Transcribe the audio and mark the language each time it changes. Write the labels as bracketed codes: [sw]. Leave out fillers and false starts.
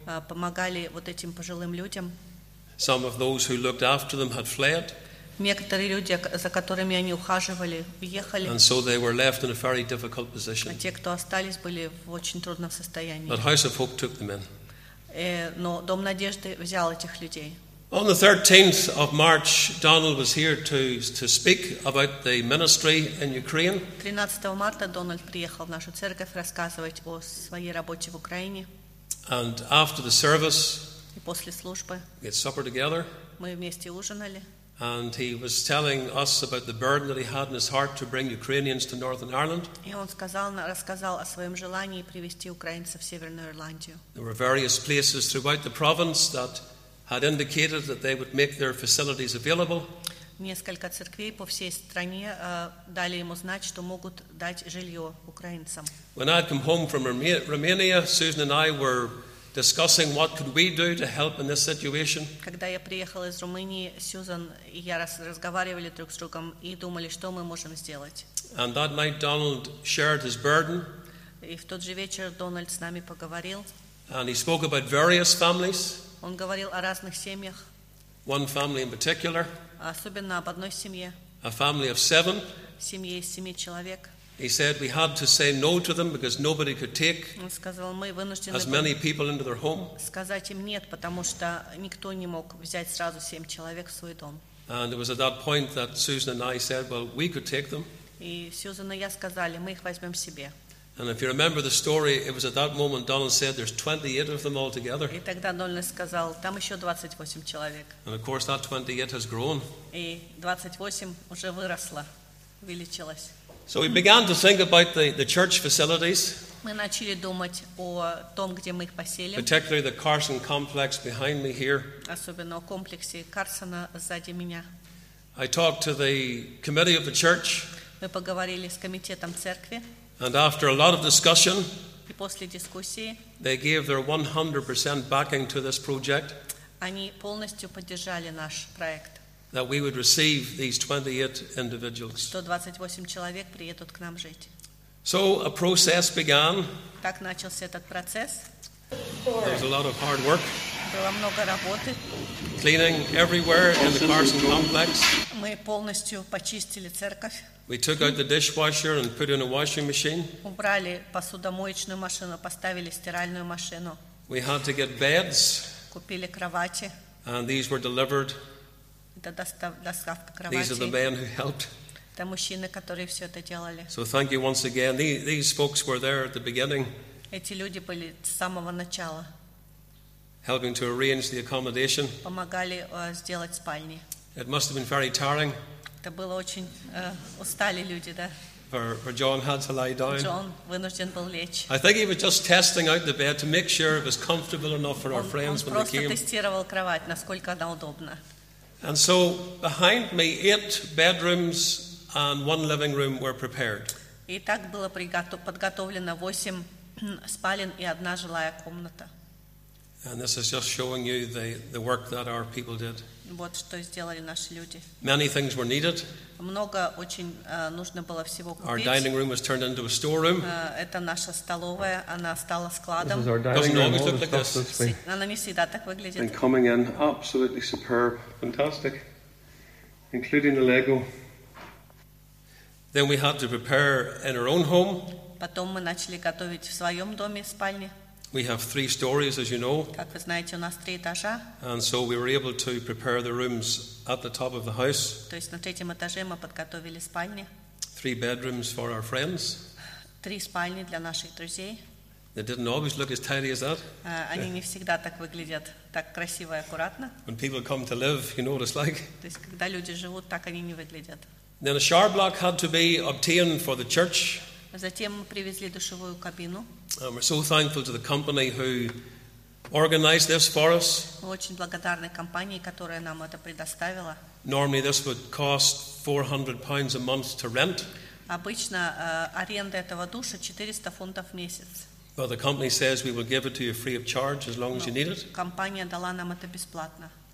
[ru] Помогали вот этим пожилым людям. [en] Some of those who looked after them had fled. [ru] Некоторые люди, за которыми они ухаживали, уехали. [en] And so they were left in a very difficult position. [ru] А те, кто остались, были в очень трудном состоянии. [en] But House of Hope took them in. [ru] Но Дом надежды взял этих людей. [en] On the 13th of March, Donald was here to speak about the ministry in Ukraine. [ru] 13 марта Дональд приехал в нашу церковь рассказывать о своей работе в Украине. [en] And after the service, [ru] и после службы, [en] we had supper together. [ru] Мы вместе ужинали. [en] And he was telling us about the burden that he had in his heart to bring Ukrainians to Northern Ireland. [ru] И он рассказал о своем желании привести украинцев в Северную Ирландию. [en] There were various places throughout the province that had indicated that they would make their facilities available. [ru] Несколько церквей по всей стране дали ему знать, что могут дать жилье украинцам. [en] When I had come home from Romania, Susan and I were discussing what could we do to help in this situation. [ru] Когда я приехала из Румынии, Сьюзан и я разговаривали друг с другом и думали, что мы можем сделать. [en] And that night Donald shared his burden. [ru] И в тот же вечер Дональд с нами поговорил. [en] And he spoke about various families. [ru] Он говорил о разных семьях. [en] One family in particular. [ru] Особенно об одной семье. [en] A family of seven. [ru] Семье из семи человек. [en] He said we had to say no to them because nobody could take as many people into their home. [ru] Сказать им нет, потому что никто не мог взять сразу семь человек в свой дом. [en] And it was at that point that Susan and I said, well, we could take them. [ru] И Сьюзан и я сказали, мы их возьмем себе. [en] And if you remember the story, it was at that moment Donald said, there's 28 of them altogether. [ru] И тогда Дональд сказал, там еще 28 человек. [en] And of course that 28 has grown. [ru] И 28 уже выросло, увеличилось. [en] So we began to think about the church facilities. [ru] Мы начали думать о том, где мы их поселим. [en] Particularly the Carson complex behind me here. [ru] Особенно о комплексе Карсона сзади меня. [en] I talked to the committee of the church. [ru] Мы поговорили с комитетом церкви. [en] And after a lot of discussion, [ru] и после дискуссии, [en] they gave their 100% backing to this project. [ru] Они полностью поддержали наш проект. [en] That we would receive these 28 individuals. [ru] 128 человек приедут к нам жить. [en] So a process began. [ru] Так начался этот процесс. [en] There was a lot of hard work. [ru] Было много работы. [en] Cleaning everywhere in the Carson complex. [ru] Мы полностью почистили церковь. [en] We took out the dishwasher and put in a washing machine. [ru] Убрали посудомоечную машину, поставили стиральную машину. [en] We had to get beds. [ru] Купили кровати. [en] And these were delivered. These are the men who helped. [ru] Это мужчины, которые все это делали. [en] So thank you once again. These folks were there at the beginning. [ru] Эти люди были с самого начала. [en] Helping to arrange the accommodation. [ru] Помогали сделать спальни. [en] It must have been very tiring. [ru] Это было очень устали люди, да. [en] For John had to lie down. [ru] John вынужден был лечь. [en] I think he was just testing out the bed to make sure it was comfortable enough for our friends when they came. [ru] Он просто тестировал кровать, насколько она удобна. [en] And so behind me, 8 bedrooms and 1 living room were prepared. [ru] И так было подготовлено 8 спален и одна жилая комната. [en] And this is just showing you the work that our people did. [ru] Вот что сделали наши люди. [en] Many things were needed. [ru] Много очень нужно было всего купить. [en] Our dining room was turned into a storeroom. [ru] Это наша столовая, она стала складом. [en] This is our dining room. Like [ru] она не всегда так выглядит. [en] And coming in, absolutely superb, fantastic, including the Lego. Then we had to prepare in our own home. [ru] Потом мы начали готовить в своем доме спальни. [en] We have 3 stories, as you know. [ru] Как вы знаете, у нас 3 этажа. [en] And so we were able to prepare the rooms at the top of the house. [ru] То есть на третьем этаже мы подготовили спальни. [en] 3 bedrooms for our friends. [ru] 3 спальни для наших друзей. [en] They didn't always look as tidy as that. [ru] Они не всегда так выглядят, так красиво и аккуратно. [en] When people come to live, you know what it's like. [ru] То есть когда люди живут, так они не выглядят. [en] Then a shower block had to be obtained for the church. [ru] Затем мы привезли душевую кабину. [en] And we're so thankful to the company who organized this for us. [ru] Мы очень благодарны компании, которая нам это предоставила. [en] Normally this would cost £400 a month to rent. [ru] Обычно аренда этого душа 400 фунтов в месяц. [en] But the company says we will give it to you free of charge as long as you need it. [ru] Компания дала нам это бесплатно.